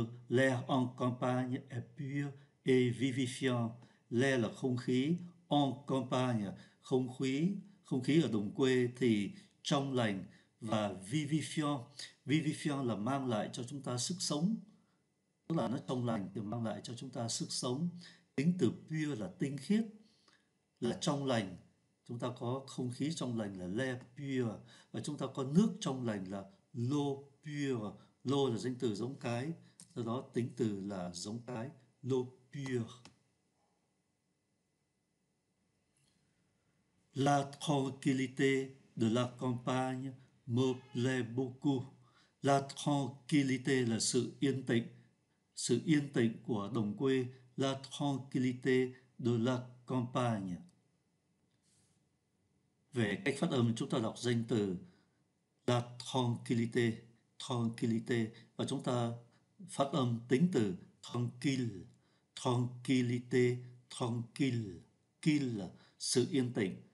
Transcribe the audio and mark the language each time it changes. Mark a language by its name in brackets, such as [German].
[French] L'air en campagne est pur et vivifiant. L'air [Vietnamese] là không khí, [French] en campagne, [Vietnamese] không khí ở đồng quê thì trong lành, và vivifiant, vivifiant là mang lại cho chúng ta sức sống, tức là nó trong lành thì mang lại cho chúng ta sức sống. Tính từ pure là tinh khiết, là trong lành, chúng ta có không khí trong lành là [French] l'air pur, [Vietnamese] và chúng ta có nước trong lành là [French] l'eau pure. L'eau [Vietnamese] là danh từ giống cái, do đó tính từ là giống cái, [French] l'eau pure. La tranquillité de la campagne me plaît beaucoup. La tranquillité [Vietnamese] là sự yên tĩnh của đồng quê. [French] La tranquillité de la campagne. [Vietnamese] Về cách phát âm chúng ta đọc danh từ [French] la tranquillité, tranquillité, [Vietnamese] và chúng ta phát âm tính từ [French] tranquille, tranquillité, tranquille, [Vietnamese] quille là sự yên tĩnh.